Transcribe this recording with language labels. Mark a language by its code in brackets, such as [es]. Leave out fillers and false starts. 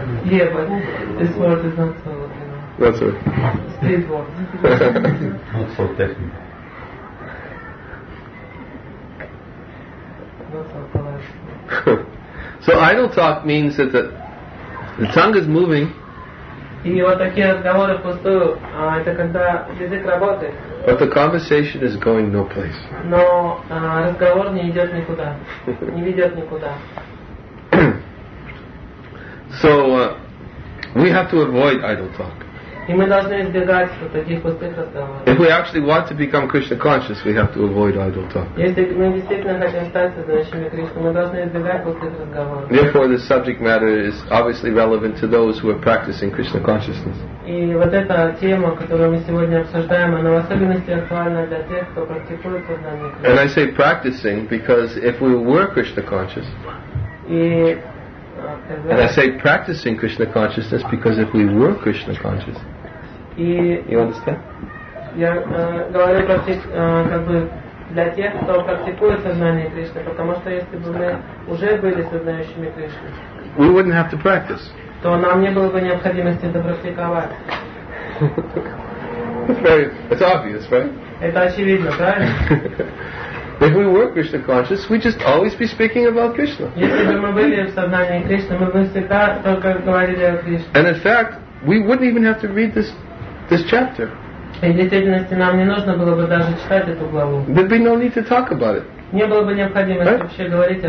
[en] Yeah, but this word is not so, you know. That's it. Street word. Not so technical. So idle talk means that the tongue is moving. [ru] И вот такие разговоры впустую, это когда язык работает. [en] But the conversation is going no place. [ru] Но разговор не идет никуда, не ведет никуда. [en] So we have to avoid idle talk. [ru] И мы должны избегать вот таких пустых разговоров. [en] If we actually want to become Krishna conscious, we have to avoid idle talk. [ru] Если мы действительно хотим стать сознающими Кришну, мы должны избегать пустых разговоров. [en] Therefore, the subject matter is obviously relevant to those who are practicing Krishna consciousness. [ru] И вот эта тема, которую мы сегодня обсуждаем, она в особенности актуальна для тех, кто практикует сознание Кришны. [en] And I say practicing because if we were Krishna conscious. [ru] И [en] And I say practicing Krishna consciousness because if we were Krishna conscious, you understand? [ru] Я говорю про как бы для тех, кто практикует сознание Кришны, потому что если бы мы уже были сознающими Кришны, [en] we wouldn't have to practice. [ru] То нам не было бы необходимости это практиковать. [en] It's obvious, right? [ru] Это очевидно, правильно? [en] If we were Krishna conscious, we'd just always be speaking about Krishna. And in fact, we wouldn't even have to read this chapter. There'd be no need to talk about it. Right?